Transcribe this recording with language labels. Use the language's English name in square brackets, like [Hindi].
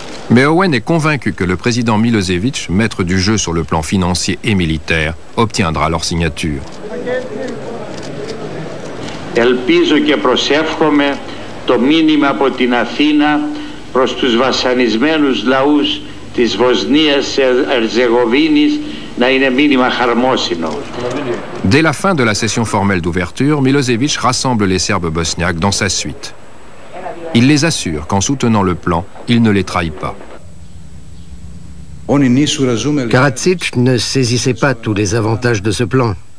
[French] Mais Owen est convaincu que le président Milosevic, maître du jeu sur le plan financier et militaire, obtiendra leur signature. [Greek] Ελπίζω και προσεύχομαι το μήνυμα από την Αθήνα προς τους βασανισμένους λαούς της Βοσνίας Ερζεγοβίνης να είναι μήνυμα χαρμόσυνο. [French] Dès la fin de la session formelle d'ouverture, Milosevic rassemble les Serbes bosniaques dans sa suite. Il les assure qu'en soutenant le plan, il ne les trahit pas. Karadzic ne saisissait pas tous les avantages de ce plan.